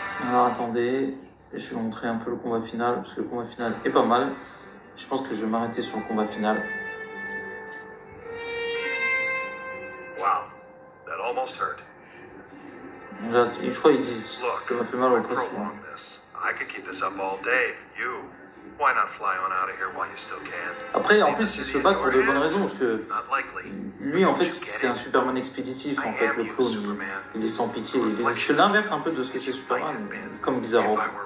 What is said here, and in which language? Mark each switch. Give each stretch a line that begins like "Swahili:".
French: Attendez, je vais vous montrer un peu le combat final, parce que le combat final est pas mal. Je pense que je vais m'arrêter sur le combat final.
English: Wow, that almost hurt.
French: Je crois qu'ils disent ça m'a fait mal au presque.
English: I could keep this up all day, you. Why not fly on out of here while you still can?
French: Après, en plus, ils se battent pour de bonnes raisons, parce que lui, en fait, c'est un Superman expéditif, en fait, le clone. Il est sans pitié. C'est l'inverse un peu de ce que c'est Superman, comme Bizarro.